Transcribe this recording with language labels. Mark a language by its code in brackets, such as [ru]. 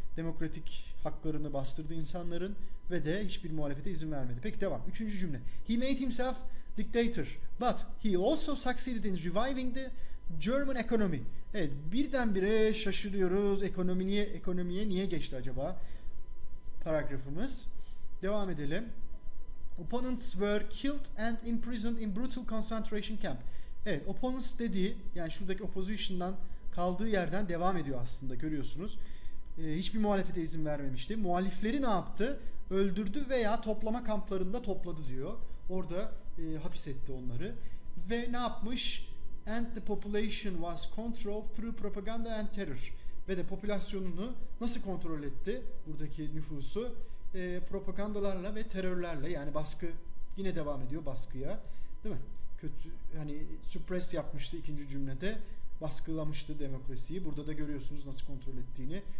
[tr] Demokratik haklarını bastırdı insanların ve de hiçbir muhalefete izin vermedi. Peki devam. Üçüncü cümle. [en] He made himself dictator, but he also succeeded in reviving the German economy. [tr] Evet, birdenbire şaşırıyoruz. Ekonomiye niye geçti acaba paragrafımız? Devam edelim. [en] Opponents were killed and imprisoned in brutal concentration camp. [tr] Evet, opponents dediği, yani şuradaki opposition'dan kaldığı yerden devam ediyor aslında, görüyorsunuz. Hiçbir muhalefete izin vermemişti. Muhalifleri ne yaptı? Öldürdü veya toplama kamplarında topladı diyor. Orada hapis etti onları. Ve ne yapmış? [en] And the population was controlled through propaganda and terror. [tr] Ve de popülasyonunu nasıl kontrol etti buradaki nüfusu? Propagandalarla ve terörlerle, yani baskı yine devam ediyor baskıya. Değil mi? Kötü, hani suppress yapmıştı ikinci cümlede. Baskılamıştı demokrasiyi. Burada da görüyorsunuz nasıl kontrol ettiğini.